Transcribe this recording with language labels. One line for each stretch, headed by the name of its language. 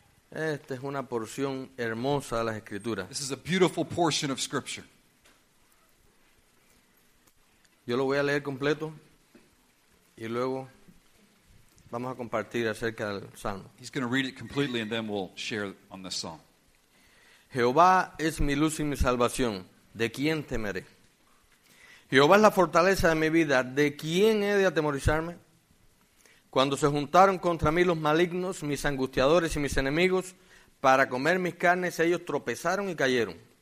Spanish: Esta es una porción hermosa de las Escrituras.
English: This is a beautiful portion of Scripture.
Spanish: Yo lo voy a leer completo y luego vamos a compartir acerca del Salmo.
English: He's going to read it completely and then we'll share on the Psalm.
Spanish: Jehová es mi luz y mi salvación. ¿De quién temeré? Jehová es la fortaleza de mi vida. ¿De quién he de atemorizarme? Cuando se juntaron contra mí los malignos, mis angustiadores y mis enemigos, para comer mis carnes, ellos tropezaron y cayeron.